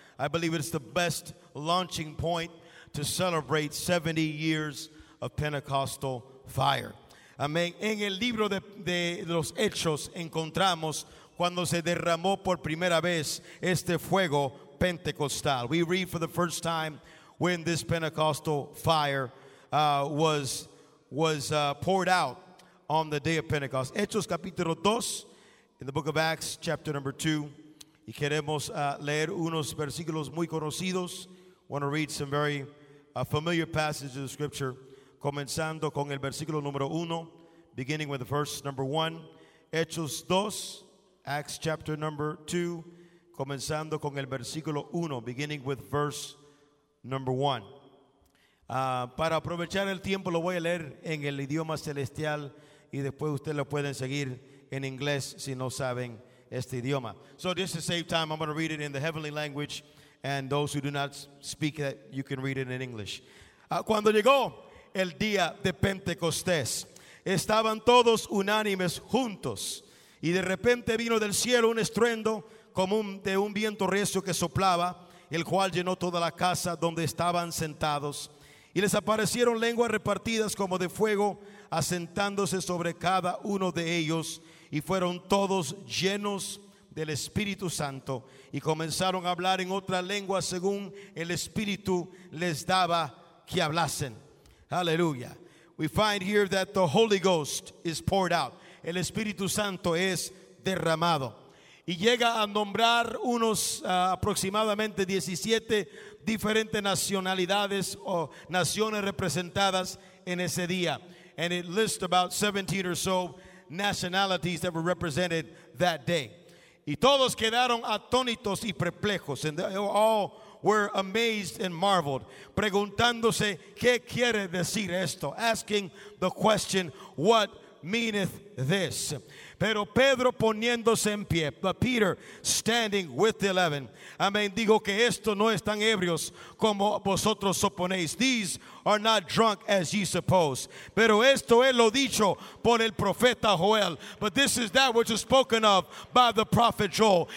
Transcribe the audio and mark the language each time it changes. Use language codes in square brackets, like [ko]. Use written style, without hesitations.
[en] I believe it's the best launching point to celebrate 70 years of Pentecostal fire. [es] Amén. En el libro de los Hechos encontramos cuando se derramó por primera vez este fuego pentecostal. [en] We read for the first time when this Pentecostal fire poured out on the day of Pentecost. [es] Hechos capítulo 2, [en] in the book of Acts, chapter number 2. [es] Y queremos leer unos versículos muy conocidos. [en] Want to read some very familiar passages of Scripture. [es] Comenzando con el versículo número 1, [en] beginning with the verse number 1. [es] Hechos 2, [en] Acts chapter number 2. [es] Comenzando con el versículo 1, [en] beginning with verse number 1. [es] Para aprovechar el tiempo, lo voy a leer en el idioma celestial y después ustedes lo pueden seguir en inglés si no saben este idioma. [en] So just to save time, I'm going to read it in the heavenly language, and those who do not speak it, you can read it in English. [es] Cuando llegó el día de Pentecostés, estaban todos unánimes juntos, y de repente vino del cielo un estruendo como de un viento recio que soplaba, el cual llenó toda la casa donde estaban sentados. Y les aparecieron lenguas repartidas como de fuego, asentándose sobre cada uno de ellos. Y fueron todos llenos del Espíritu Santo. Y comenzaron a hablar en otra lengua según el Espíritu les daba que hablasen. Aleluya. [en] We find here that the Holy Ghost is poured out. [es] El Espíritu Santo es derramado. Y llega a nombrar unos aproximadamente 17 diferentes nacionalidades o naciones representadas en ese día. [en] And it lists about 17 or so nationalities that were represented that day. [es] Y todos quedaron atónitos y perplejos. [en] And they all were amazed and marveled, [es] preguntándose, ¿qué quiere decir esto? [en] Asking the question, what meaneth this? [es] Pero Pedro poniéndose en pie, [en] but Peter standing with the 11, [es] amén, dijo que esto no están ebrios como vosotros suponéis. [en] These are not drunk as ye suppose. [es] Pero esto es lo dicho por el profeta Joel. [en] But this is that which is spoken of by the prophet Joel.